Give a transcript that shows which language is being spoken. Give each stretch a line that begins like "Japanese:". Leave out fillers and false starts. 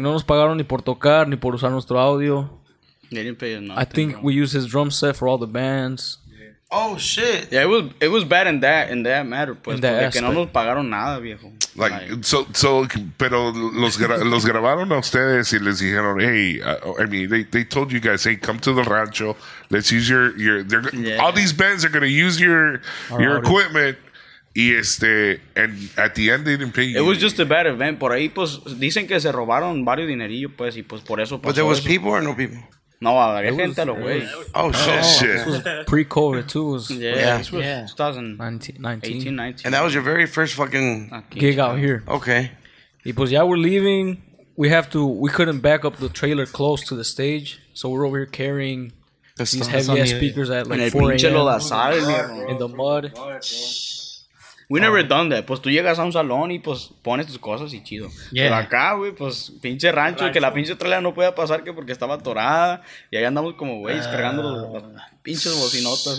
Spanish: no nos pagaron ni por tocar ni por usar nuestro audio.
English: They didn't pay nothing, I think, bro. We used his drum set for all the bands. Yeah. Oh shit. Yeah, it was bad in that matter, pues, in that
Spanish: que no nos pagaron nada, viejo.
English: Like so
Spanish: pero los grabaron a ustedes y les dijeron,
English: "Hey, I mean, they told you guys, hey, come to the rancho. Let's use your all these bands are going to use your audio. Equipment." Y and at the end, they didn't pay you. It was just a bad event.
Spanish: Por ahí, pues, dicen que se robaron varios dinerillos, pues, y pues por eso pasó.
English: But there was
Spanish: eso.
English: People or no people?
Spanish: No, había gente a los güeyes.
English: Oh, shit. This was pre-COVID, too. This was 2019. And that was your very first fucking gig out here. Okay.
Spanish: Y pues ya,
English: we're leaving. We couldn't back up the trailer close to the stage, so we're over here carrying... these heavy-ass speakers at, like, 4 a.m.
Spanish: Lo lazare,
English: in the mud. We never done that.
Spanish: Pues tú llegas a un salón y pues pones tus cosas y chido.
English: Yeah.
Spanish: Pero acá, güey, pues pinche rancho, que la pinche trailer no podía pasar que porque estaba atorada. Y ahí andamos como güeyes cargando las pinches bocinotas.